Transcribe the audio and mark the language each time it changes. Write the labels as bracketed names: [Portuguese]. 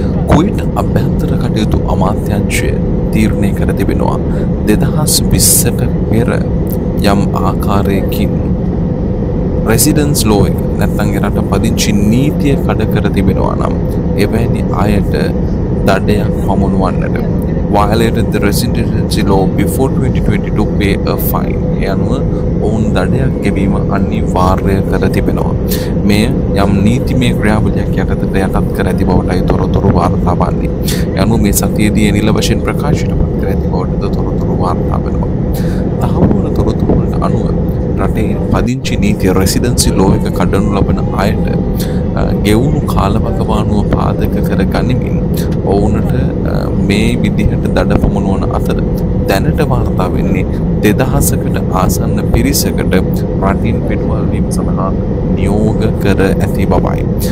[Sinhala] කුවෙට් අභ්‍යන්තර කටයුතු අමාත්‍යංශය තීරණය කර තිබෙනවා 2020ට පෙර යම් ආකාරයකින් රෙසිඩන්ස් ලෝ එක නැත්නම් රට පදිංචි නීතිය කඩ කර තිබෙනවා නම් එවැනි අයට දඩයක් හමුනුවන්නට. [English] Violated the residency law before 2022 pay a fine. [Sinhala] යනුව ඔවුන් දඩයක් ගෙවීම අනිවාර්ය කර තිබෙනවා. මෙය යම් නීතිමය ක්‍රියාවලියක් යටතට යටත් කර ඇති බවටයි තොරතුරු වාර්තා වන්නේ. යනුව මේ සතියේදී නිල වශයෙන් ප්‍රකාශනපත් කර ඇති බවටද තොරතුරු වාර්තා වෙනවා. තහවුරු තොරතුරු වලට අනුව රටේ පදිංචි නීතිය රෙසිඩන්සි ලෝ එක කඩනු ලබන අයට ගෙවුණු කාලවකවානුව පාදක කර ගනිමින් ඔවුනට මේ විදිහට දඩ පමුණුවන අතර දැනට වාර්තා වෙන්නේ 2000කට ආසන්න පිරිසකට රටින් පිටුවල් වීම සඳහා නියෝග කර ඇති බවයි.